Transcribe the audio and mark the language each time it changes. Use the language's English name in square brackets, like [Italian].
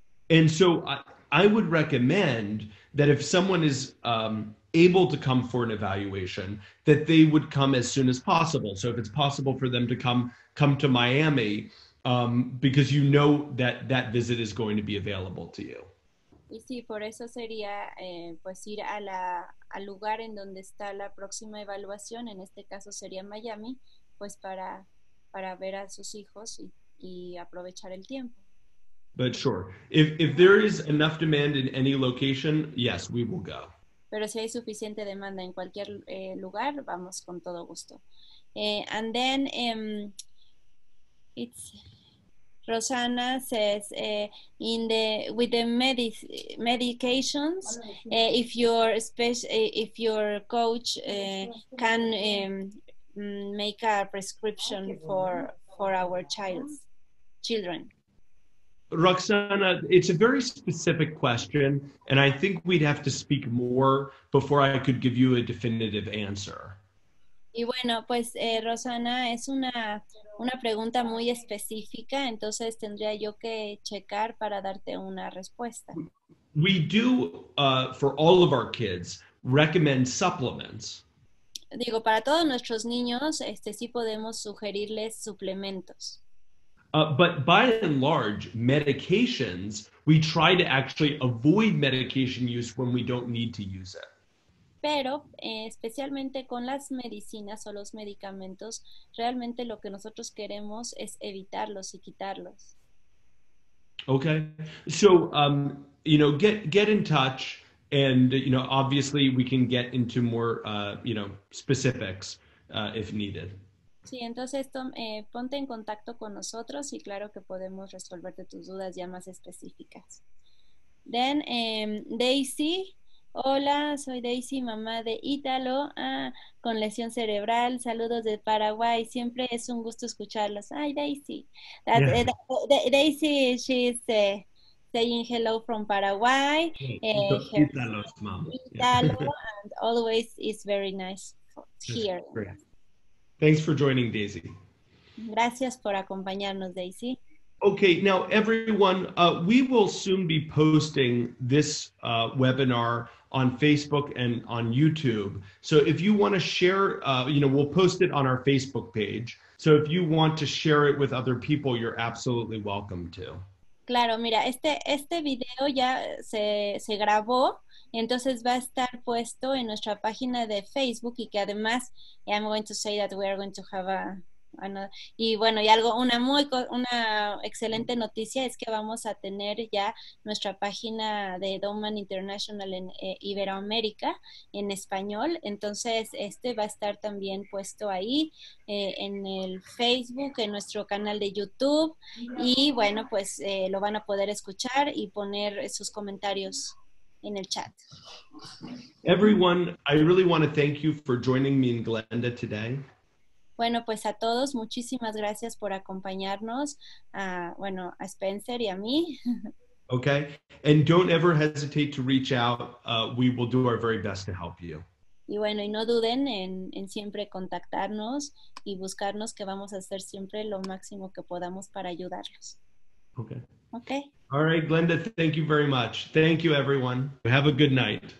[English] And so I would recommend that if someone is able to come for an evaluation, that they would come as soon as possible. So if it's possible for them to come to Miami, because you know that visit is going to be available to you. [Spanish] Y sí, por eso sería pues ir a al lugar en donde está la próxima evaluación, en este caso sería Miami, pues para ver a sus hijos y aprovechar el tiempo. [English] But sure, if there is enough demand in any location, yes, we will go. [Spanish] Pero si hay suficiente demanda en cualquier lugar, vamos con todo gusto. [English] And then it's Rosanna says in the with the medications, if your coach can make a prescription for our children. Roxana, it's a very specific question, and I think we'd have to speak more before I could give you a definitive answer. [Spanish] Y bueno, pues Rosana, es una pregunta muy específica, entonces tendría yo que checar para darte una respuesta. [English] We do, for all of our kids, recommend supplements. [Spanish] Digo, para todos nuestros niños, sí podemos sugerirles suplementos. [English] But by and large, medications, we try to actually avoid medication use when we don't need to use it. [Spanish] Pero especialmente con las medicinas o los medicamentos, realmente lo que nosotros queremos es evitarlos y quitarlos. Okay. [English] So, you know, get in touch and, you know, obviously we can get into more, you know, specifics if needed. [Spanish] Sí, entonces ponte en contacto con nosotros y claro que podemos resolverte tus dudas ya más específicas. Then, Daisy, hola, soy Daisy, mamá de Ítalo, con lesión cerebral, saludos de Paraguay, siempre es un gusto escucharlos. Ay, Daisy. [English] Daisy, she's saying hello from Paraguay. Ítalo's mom. Ítalo, and always is very nice here. Thanks for joining, Daisy. [Spanish] Gracias por acompañarnos, Daisy. [English] Okay, now everyone, we will soon be posting this webinar on Facebook and on YouTube. So if you want to share, you know, we'll post it on our Facebook page. So if you want to share it with other people, you're absolutely welcome to. [Spanish] Claro, mira, este video ya se grabó, entonces va a estar puesto en nuestra página de Facebook y que además, I'm going to say that we are going to have y bueno, y algo, una excelente noticia es que vamos a tener ya nuestra página de Doman International en Iberoamérica en español, entonces este va a estar también puesto ahí en el Facebook, en nuestro canal de YouTube y bueno, pues lo van a poder escuchar y poner sus comentarios en el chat. [English] Everyone, I really want to thank you for joining me in Glenda today. [Spanish] Bueno, pues a todos, muchísimas gracias por acompañarnos, bueno, a Spencer y a mí. [English] Okay, and don't ever hesitate to reach out. We will do our very best to help you. [Spanish] Y bueno, y no duden en siempre contactarnos y buscarnos que vamos a hacer siempre lo máximo que podamos para ayudarlos. Okay. Okay. [English] All right, Glenda, thank you very much. Thank you, everyone. Have a good night.